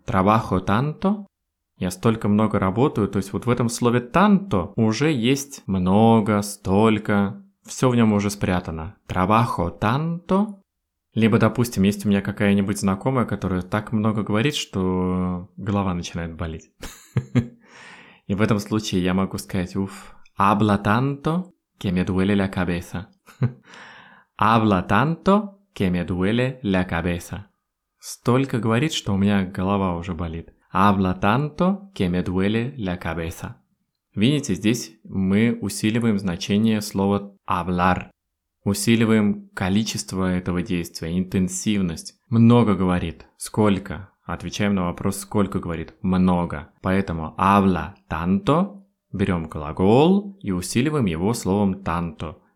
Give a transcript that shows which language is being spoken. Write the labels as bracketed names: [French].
[Russian] «Trabajo tanto», «Я столько много работаю», то есть вот в этом слове «танто» уже есть «много», «столько», все в нем уже спрятано. [Spanish] «Trabajo tanto». [Russian] Либо, допустим, есть у меня какая-нибудь знакомая, которая так много говорит, что голова начинает болеть. И в этом случае я могу сказать: «Уф, habla tanto que me duele la cabeza». [Spanish] «Habla tanto que me duele la cabeza». [Russian] «Столько говорит, что у меня голова уже болит». [Spanish] «Habla tanto que me duele la cabeza». [Russian] Видите, здесь мы усиливаем значение слова «hablar». Усиливаем количество этого действия, интенсивность. «Много говорит». «Сколько?» Отвечаем на вопрос: «Сколько говорит?» «Много». Поэтому «habla tanto» берем глагол и усиливаем его словом «tanto».